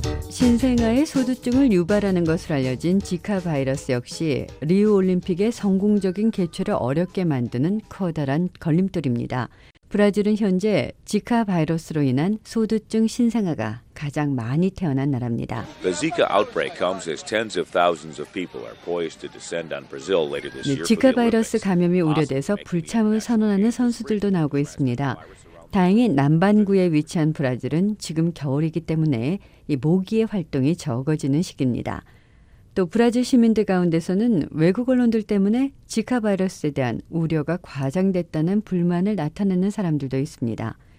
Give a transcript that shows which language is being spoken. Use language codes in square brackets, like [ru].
[ko] 신생아의 소두증을 유발하는 것으로 알려진 지카 바이러스 역시 리우 올림픽의 성공적인 개최를 어렵게 만드는 커다란 걸림돌입니다. 브라질은 현재 지카 바이러스로 인한 소두증 신생아가 가장 많이 태어난 나라입니다. [en] The Zika outbreak comes as tens of thousands of people are poised to descend on Brazil later this year. [ko] 지카 바이러스 감염이 우려돼서 불참을 선언하는 선수들도 나오고 있습니다. 다행히 남반구에 위치한 브라질은 지금 겨울이기 때문에 이 모기의 활동이 적어지는 시기입니다. 또 브라질 시민들 가운데서는 외국 언론들 때문에 지카 바이러스에 대한 우려가 과장됐다는 불만을 나타내는 사람들도 있습니다.